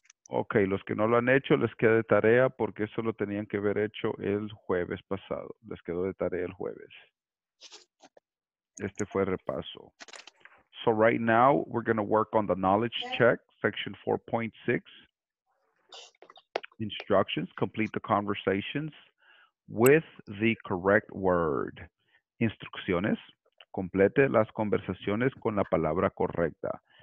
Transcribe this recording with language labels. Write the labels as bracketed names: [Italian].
[Spanish] Okay, los que no lo han hecho, les queda de tarea porque eso lo tenían que haber hecho el jueves pasado. Les quedó de tarea el jueves. Este fue el repaso. [English] So right now, we're going to work on the knowledge check, section 4.6. Instructions, complete the conversations with the correct word. [Spanish] Instrucciones, complete las conversaciones con la palabra correcta.